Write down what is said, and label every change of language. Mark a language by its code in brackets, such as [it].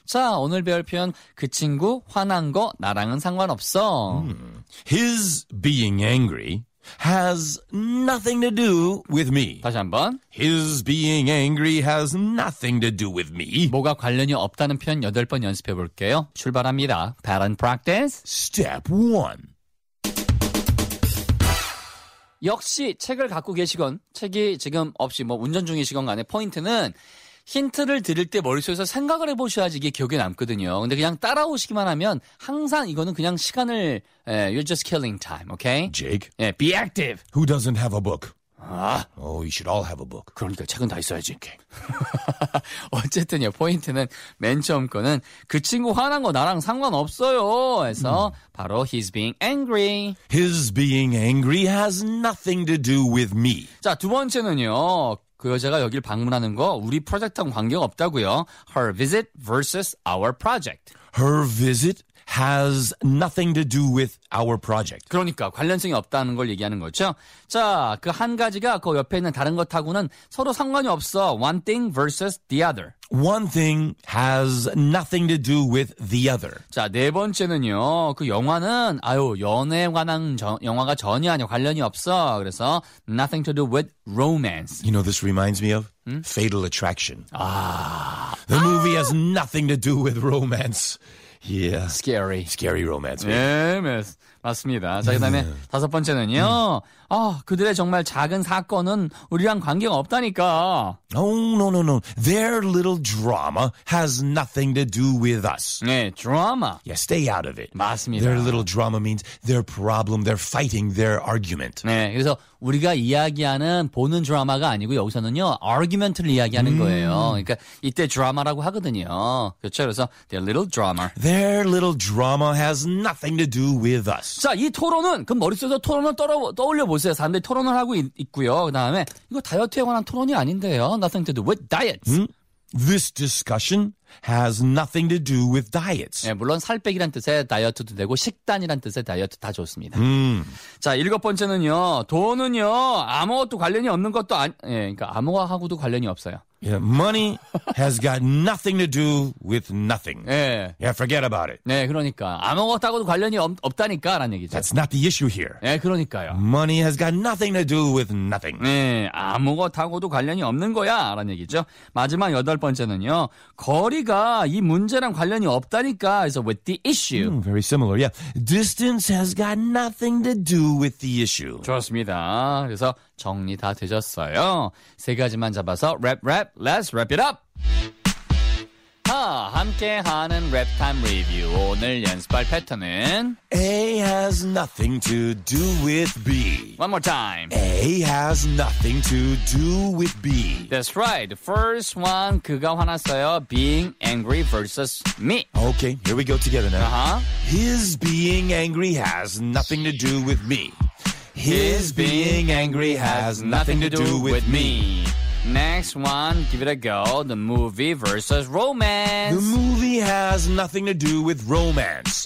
[ko] 자, 오늘 배울 표현 그 친구 화난 거 나랑은 상관없어. [en] His being angry has nothing to do with me. [ko] 다시 한번. [en] His being angry has nothing to do with me. [ko] 뭐가 관련이 없다는 표현 여덟 번 연습해 볼게요. [en] 출발합니다. Pattern practice. Step 1. [ko] 역시 책을 갖고 계시건 책이 지금 없이 뭐 운전 중이시건 간에 포인트는 힌트를 드릴 때 머릿속에서 생각을 해보셔야지 이게 기억에 남거든요. 근데 그냥 따라오시기만 하면 항상 이거는 그냥 시간을 예, [en] You're just killing time, okay? Jake? 예, be active! Who doesn't have a book? 아, Oh, you should all have a book. [ko] 그러니까 책은 다 있어야지. [en] Okay. [ko] 어쨌든요, 포인트는 맨 처음 거는 그 친구 화난 거 나랑 상관없어요. [en] 해서 바로 he's being angry. His being angry has nothing to do with me. [ko] 자, 두 번째는요. 그 여자가 여길 방문하는 거 우리 프로젝트랑 관계없다고요. [en] Her visit versus our project. Her visit has nothing to do with our project. [ko] 그러니까 관련성이 없다는 걸 얘기하는 거죠. 자, 그 한 가지가 그 옆에 있는 다른 것하고는 서로 상관이 없어. [en] One thing versus the other. One thing has nothing to do with the other. [ko] 자, 네 번째는요. 그 영화는 아유, 연애에 관한 영화가 전혀 아니야. 관련이 없어. [en] 그래서 nothing to do with romance. You know this reminds me of 음? Fatal Attraction. 아. The 아! movie has nothing to do with romance. Yeah. Scary. Scary romance. [ko] 예, 네, 맞습니다. 자, 그다음에 다섯 번째는요. 아, 그들의 정말 작은 사건은 우리랑 관계가 없다니까. [en] No. Their little drama has nothing to do with us. [ko] 네, drama. [en] Yeah, stay out of it. [ko] 맞습니다. [en] Their little drama means their problem, their fighting, their argument. [ko] 네, 그래서 우리가 이야기하는 보는 드라마가 아니고 여기서는요, argument를 이야기하는 거예요. 그러니까 이때 drama라고 하거든요. 그렇죠? [en] 그래서 their little drama. Their little drama has nothing to do with us. [ko] 자, 이 토론은 그 머릿속에서 토론을 떠올려 보세요. 사람들이 토론을 하고 있고요. 그다음에 이거 다이어트에 관한 토론이 아닌데요. [en] Nothing to do with diets. This discussion has nothing to do with diets. [ko] 네, 물론 살 빼기란 뜻의 다이어트도 되고 식단이란 뜻의 다이어트 다 좋습니다. 자, 일곱 번째는요. 돈은요. 아무것도 관련이 없는 것도 아니, 예, 그러니까 아무것하고도 관련이 없어요. [en] Yeah, money has got nothing to do with nothing. Yeah. Yeah, forget about it. [ko] 네, 그러니까 아무것하고도 관련이 없다니까라는 얘기죠. [en] That's not the issue here. [ko] 네, 그러니까요. [en] Money has got nothing to do with nothing. [ko] 네, 아무것하고도 관련이 없는 거야라는 얘기죠. 마지막 여덟 번째는요. 거리가 이 문제랑 관련이 없다니까. [en] So with the issue. Very similar. Yeah, distance has got nothing to do with the issue. [ko] 좋습니다. 그래서 정리 다 되셨어요. 세 가지만 잡아서 랩 랩 [en] Let's wrap it up. [ko] 하 함께하는 랩 타임 리뷰 오늘 연습할 패턴은 [en] A has nothing to do with B. One more time. A has nothing to do with B. That's right. First one [ko] 그가 화났어요. [en] Being angry versus me. Okay, here we go together now. Uh-huh. His being angry has nothing to do with me. His being angry has nothing to do with me. Next one, give it a go. The movie versus romance. The movie has nothing to do with romance.